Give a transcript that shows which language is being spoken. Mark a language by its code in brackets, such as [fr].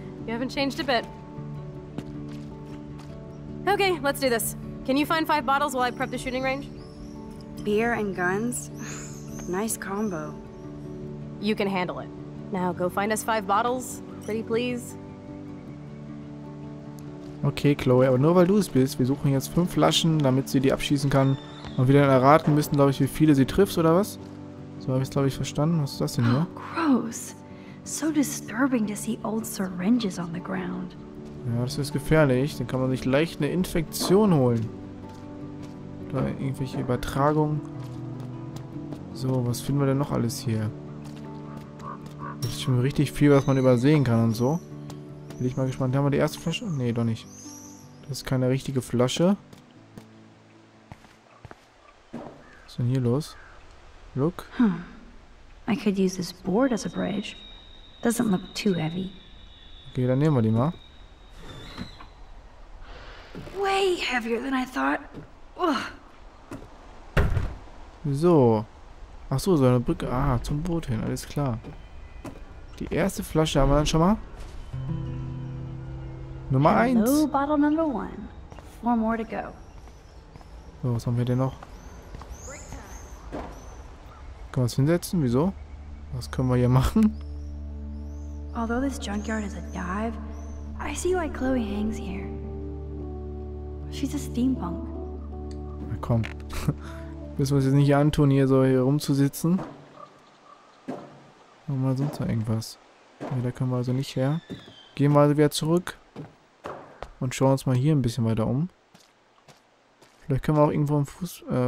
[en] You haven't changed a bit. Okay, let's do this. Can you find 5 bottles while I prep the shooting range? Beer and guns? Nice combo. You can handle it. Now go find us 5 bottles, pretty please. [de] Okay, Chloe, aber nur weil du es bist, wir suchen jetzt 5 Flaschen, damit sie die abschießen kann. Und wir dann erraten müssen, glaube ich, wie viele sie trifft, oder was? So habe ich es, glaube ich, verstanden. Was ist das denn hier? [en] Gross. So disturbing to see old syringes on the ground. [de] Ja, das ist gefährlich. Dann kann man sich leicht eine Infektion holen. Oder irgendwelche Übertragungen. So, was finden wir denn noch alles hier? Das ist schon richtig viel, was man übersehen kann und so. Bin ich mal gespannt. Haben wir die erste Flasche? Nee, doch nicht. Das ist keine richtige Flasche. Was ist denn hier los? [en] Look. I could use this board as a bridge. Doesn't look too heavy. [de] Okay, dann nehmen wir die mal. [en] Way heavier than I thought. Ugh. [de] So. Ach so, so eine Brücke. Ah, zum Boot hin. Alles klar. Die erste Flasche haben wir dann schon mal. Nummer 1. Hello, bottle number 1. 4 more to go. So, was haben wir denn noch? Können wir uns hinsetzen? Wieso? Was können wir hier machen? [en] Although this junkyard is a dive, I see why Chloe hangs here. she's a steampunk. [de] Na komm. Müssen wir uns jetzt nicht antun, hier so hier rumzusitzen. Und mal sonst noch irgendwas. Nee, da können wir also nicht her. Gehen wir also wieder zurück. Und schauen uns mal hier ein bisschen weiter um. Vielleicht können wir auch irgendwo am Fuß.